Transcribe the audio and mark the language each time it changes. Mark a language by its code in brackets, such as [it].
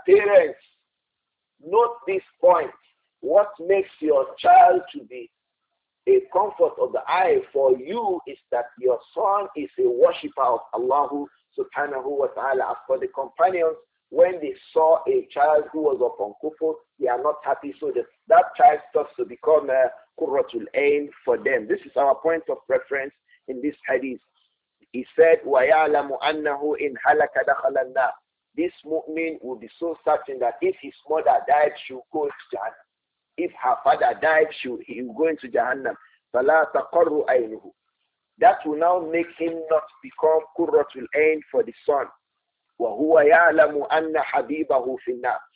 [en] Parents, note this point. What makes your child to be a comfort of the eye for you is that your son is a worshipper of Allah subhanahu wa ta'ala. As for the companions, when they saw a child who was upon kufr, they are not happy. So that child starts to become a Qurratul Ayn for them. This is our point of reference in this hadith. [ar] He said, وَيَعْلَمُ أَنَّهُ إِنْ هَلَكَ دَخَلَ النَّارِ. [en] This mu'min will be so certain that if his mother died, she will go to Jahannam. If her father died, he will go into Jahannam. [ar] فَلَا تَقَرُّ أَيْنُهُ. [en] That will now make him not become Qurratul Ayn for the son. [ar] وَهُوَ يَعْلَمُ أَنَّ حَبِيبَهُ فِي النَّارِ.